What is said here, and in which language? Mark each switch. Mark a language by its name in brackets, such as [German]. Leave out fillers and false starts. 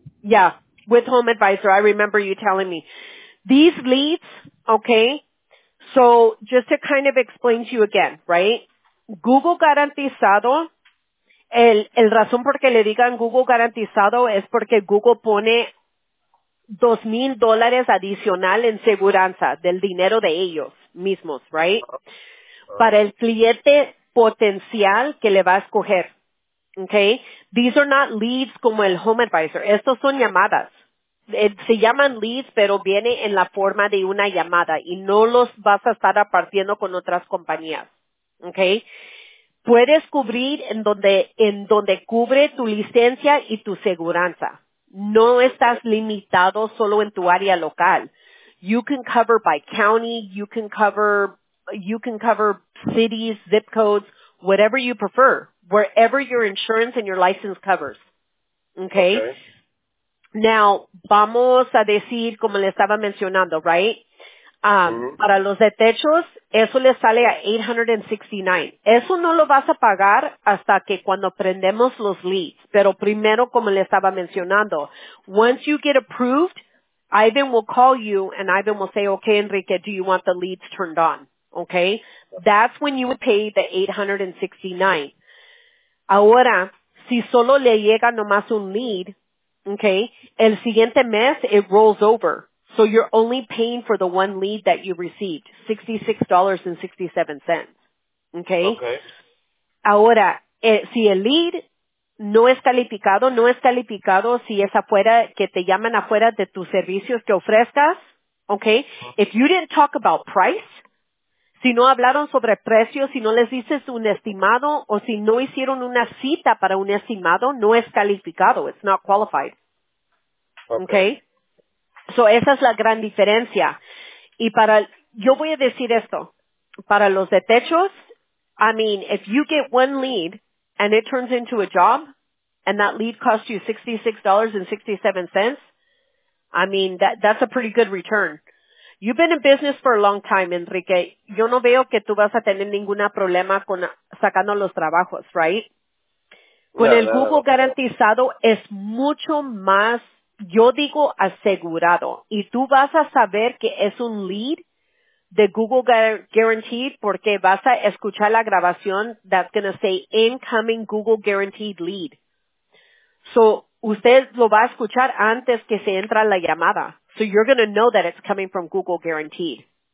[English] yeah, with Home Advisor, I remember you telling me. These leads, okay, so just to kind of explain to you again, right? [Spanish] Google Garantizado, el razón por qué le digan Google Garantizado es porque Google pone $2,000 adicional en seguranza del dinero de ellos mismos, right? Para el cliente potencial que le va a escoger, okay? [English] These are not leads [Spanish] como el Home Advisor. Estos son llamadas, se llaman leads, pero viene en la forma de una llamada y no los vas a estar apartiendo con otras compañías, ¿okay? Puedes cubrir en donde cubre tu licencia y tu seguranza. No estás limitado solo en tu área local. [English] You can cover by county, you can cover cities, zip codes, whatever you prefer, wherever your insurance and your license covers. Okay? [Spanish] Now, vamos a decir, como le estaba mencionando, right? Para los de techos, eso le sale a $869. Eso no lo vas a pagar hasta que cuando prendemos los leads. Pero primero, como le estaba mencionando, [English] once you get approved, Ivan will call you and Ivan will say, okay, Enrique, do you want the leads turned on? Okay? That's when you would pay the $869. [Spanish] Ahora, si solo le llega nomás un lead, okay, el siguiente mes, [English] it rolls over. So you're only paying for the one lead that you received, $66.67. Okay? Okay. [Spanish] Ahora, si el lead no es calificado si es afuera, que te llaman afuera de tus servicios que ofrezcas, okay? [English] If you didn't talk about price, [Spanish] si no hablaron sobre precios, si no les dices un estimado, o si no hicieron una cita para un estimado, no es calificado, [English] it's not qualified. Okay? [Spanish] So esa es la gran diferencia. Y para, yo voy a decir esto, para los de techos, [English] I mean, if you get one lead and it turns into a job and that lead costs you $66.67, I mean, that's a pretty good return. You've been in business for a long time, Enrique. [Spanish] Yo no veo que tú vas a tener ningún problema con sacando los trabajos, right? Con el Google garantizado es mucho más, yo digo, asegurado. Y tú vas a saber que es un lead de Google Guaranteed porque vas a escuchar la grabación [English] that's going to say incoming Google Guaranteed lead. [Spanish] So, usted lo va a escuchar antes que se entra la llamada. [English] So you're going to know that it's coming from Google Guaranteed.